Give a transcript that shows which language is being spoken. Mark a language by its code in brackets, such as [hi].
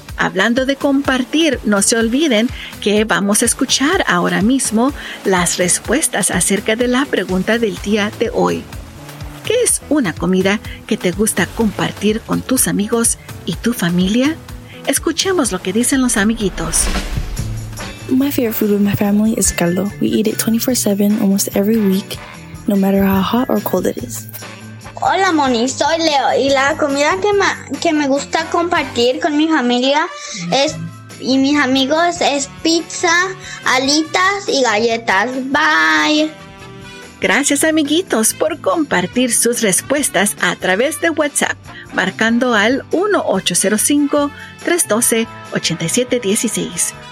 [es] Hablando de compartir, no se olviden que vamos a escuchar ahora mismo las respuestas acerca de la pregunta del día de hoy. ¿Qué es una comida que te gusta compartir con tus amigos y tu familia? Escuchemos lo que dicen los amiguitos. [en] My favorite food with my family is caldo. We eat it 24/7 almost every week, no matter how hot or cold it is. [es] Hola, Moni, soy Leo y la comida que me gusta compartir con mi familia es y mis amigos es pizza, alitas y galletas. [en] Bye. [es] Gracias, amiguitos, por compartir sus respuestas a través de WhatsApp, marcando al 1-805-312-8716.